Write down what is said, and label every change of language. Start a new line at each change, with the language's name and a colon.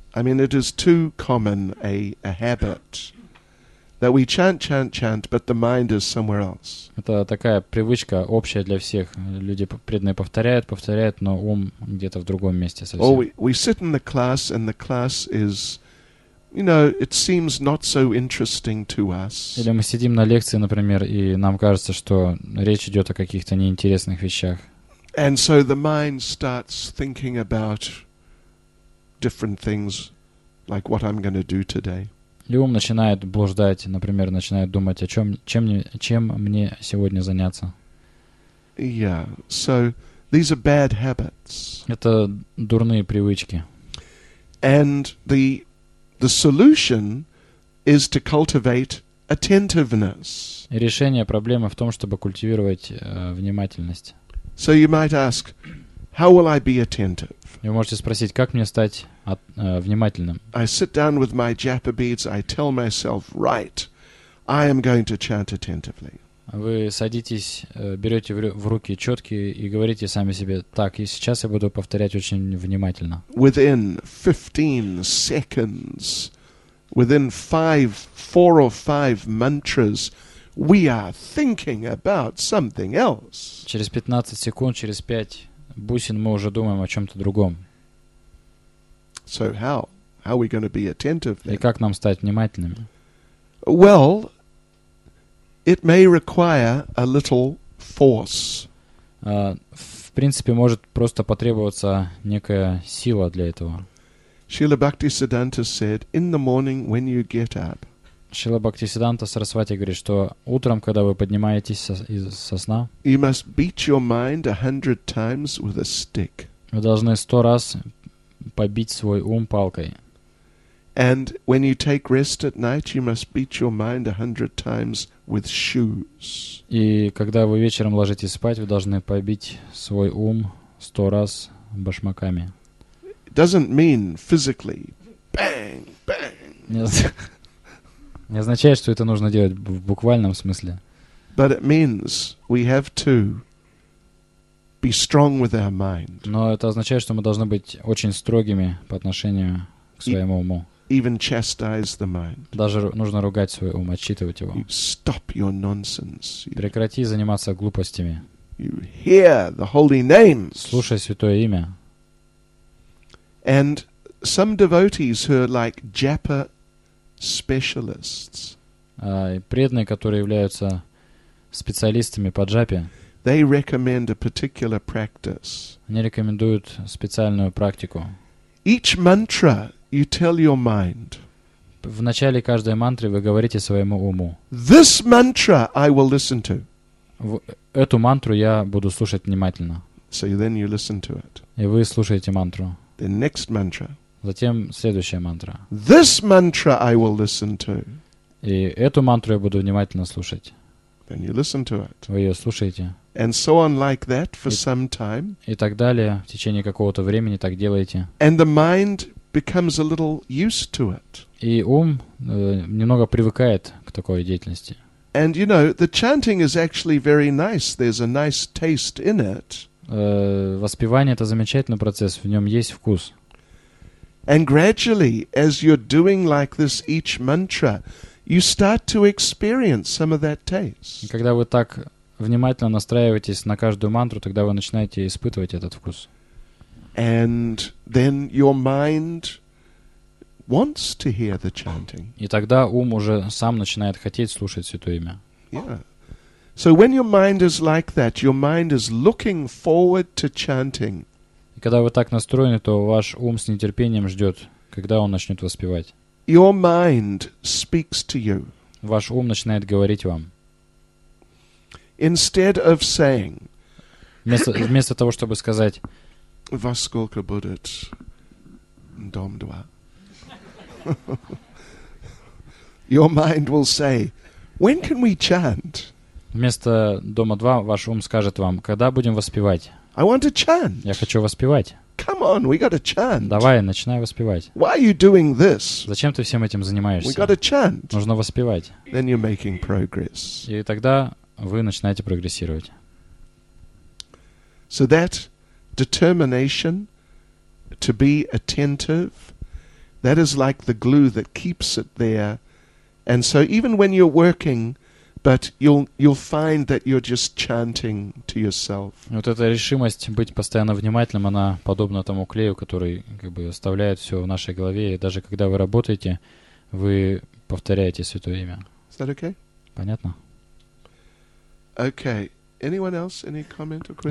English: I mean, it is too common a habit that we chant, but the mind is somewhere else.
Russian: Это такая привычка общая для всех. Люди преданные повторяют, но ум где-то в другом месте совсем.
English: Or we sit in the class and the class is, you know, it seems not so interesting to us.
Russian: Или мы сидим на лекции, например, и нам кажется, что речь идет о каких-то неинтересных вещах.
English: And so the mind starts thinking about different things, like what I'm going to do today.
Russian: И ум начинает блуждать, например, начинает думать, о чем, чем мне сегодня заняться.
English: Yeah. So these are bad habits.
Russian: Это дурные привычки.
English: And the solution is to cultivate attentiveness.
Russian: И решение проблемы в том, чтобы культивировать внимательность.
English: So you might ask, how will I be attentive?
Russian: Вы можете спросить, как мне стать внимательным?
English: I sit down with my japa beads, I tell myself, right, I am going to chant attentively.
Russian: Вы садитесь, берете в руки чётки и говорите сами себе, так, и сейчас я буду повторять очень внимательно.
English: Within 15 seconds, within 4 or 5 mantras, we are thinking about something else.
Russian: Через 15 секунд, через 5 бусин мы уже думаем о чем-то другом.
English: So how are we going to be attentive then?
Russian: И как нам стать внимательными?
English: Well, it may require a little force.
Russian: В принципе, может просто потребоваться некая сила для этого.
English: Srila Bhaktisiddhanta said, in the morning when you get up,
Russian: Шрила Бхактисиддханта Сарасвати говорит, что утром, когда вы поднимаетесь со сна,
English: you must beat your mind 100 times with a stick.
Russian: Вы должны 100 раз побить свой ум палкой.
English: And when you take rest at night, you must beat your mind 100 times with shoes.
Russian: И когда вы вечером ложитесь спать, вы должны побить свой ум 100 раз башмаками.
English: It doesn't mean physically. Bang, bang.
Russian: Нет. Не означает, что это нужно делать в буквальном смысле.
English: But it means we have to be strong with our mind.
Russian: Но это означает, что мы должны быть очень строгими по отношению к своему уму.
English: Even chastise the mind.
Russian: Даже нужно ругать свой ум, отчитывать его.
English: Stop your nonsense.
Russian: Прекрати заниматься глупостями.
English: You hear the holy names.
Russian: Слушай святое имя.
English: And some devotees who are like japa specialists.
Russian: Преданные, которые являются специалистами по джапе.
English: They recommend a particular practice.
Russian: Они рекомендуют специальную практику.
English: Each mantra you tell your mind.
Russian: В начале каждой мантры вы говорите своему уму.
English: This mantra I will listen to.
Russian: Эту мантру я буду слушать внимательно.
English: So then you listen to it.
Russian: И вы слушаете мантру.
English: The next mantra.
Russian: Затем следующая мантра.
English: This mantra I will listen to.
Russian: И эту мантру я буду внимательно слушать.
English: Then you listen to it.
Russian: Вы ее слушаете.
English: And so on like that for some time.
Russian: И так далее, в течение какого-то времени так делаете.
English: And the mind becomes a little used to it.
Russian: И ум немного привыкает к такой деятельности.
English: And you know, the chanting is actually very nice. There's a nice taste in it.
Russian: Воспевание — это замечательный процесс, в нем есть вкус.
English: And gradually, as you're doing like this each mantra, you start to experience some of that taste.
Russian: Когда вы так внимательно настраиваетесь на каждую мантру, тогда вы начинаете испытывать этот вкус.
English: And then your mind wants to hear the chanting.
Russian: И тогда ум уже сам начинает хотеть слушать святое имя.
English: Yeah. So when your mind is like that, your mind is looking forward to chanting.
Russian: Когда вы так настроены, то ваш ум с нетерпением ждет, когда он начнет воспевать.
English: Your mind speaks to you.
Russian: Ваш ум начинает говорить вам.
English: Instead of saying,
Russian: вместо того, чтобы сказать, во сколько будет дом 2,
English: your mind will say, When can we chant?
Russian: Вместо дома 2 ваш ум скажет вам, когда будем воспевать?
English: I want to chant.
Russian: Я хочу воспевать.
English: Come on, we got to chant.
Russian: Давай, начинай воспевать.
English: Why are you doing this?
Russian: Зачем ты всем этим занимаешься?
English: We got to chant.
Russian: Нужно воспевать.
English: Then you're making progress.
Russian: И тогда вы начинаете прогрессировать.
English: So that determination to be attentive, that is like the glue that keeps it there. And so even when you're working, but you'll find that you're just chanting to yourself.
Russian: Вот эта решимость быть постоянно внимательным, она подобна тому клею, который как бы оставляет все в нашей голове, и даже когда вы работаете, вы повторяете святое имя.
English: Is that okay?
Russian: Понятно.
English: Okay. Anyone else? Any comment or question?